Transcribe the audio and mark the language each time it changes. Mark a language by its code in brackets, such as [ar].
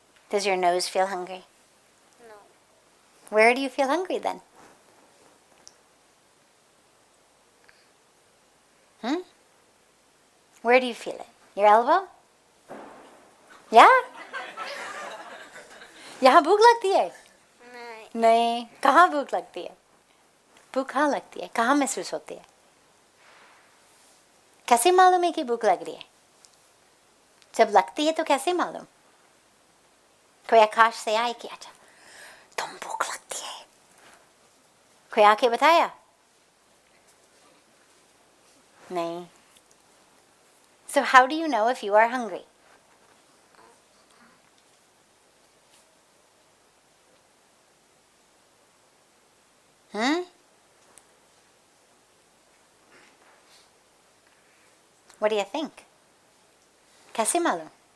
[en] Does your nose feel hungry? No. Where do you feel hungry then? Where do you feel it? Your elbow? Yeah? [hi] यहाँ भूख लगती है? Nahi. कहाँ भूख लगती है? भूखा लगती है. कहाँ महसूस होती है? कैसे मालूम है कि भूख लग रही है? जब लगती है तो कैसे मालूम? कोई आकाश से आए कि अच्छा तुम भूख लगती है कोई आके बताया? नहीं. [en] So how do you know if you are hungry? Hmm? What do you think? [hi] Kaise malum?